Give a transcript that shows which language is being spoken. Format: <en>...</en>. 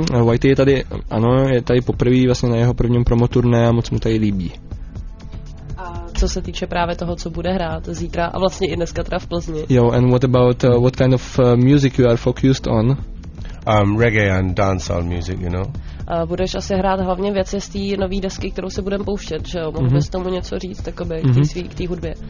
<cs>Whitey je tady, ano, je tady poprvé vlastně na jeho prvním promoturné a moc mu tady líbí. Co se týče právě toho, co bude hrát zítra a vlastně i dneska teda v Plzni.</cs> <en>Jo, and what about what kind of music you are focused on? Reggae and dancehall music, you know.</en> <cs>Budeš asi hrát hlavně věci z té nové desky, kterou se budeme pouštět, že jo? Mohl bys tomu něco říct, takoby, k té hudbě?</cs>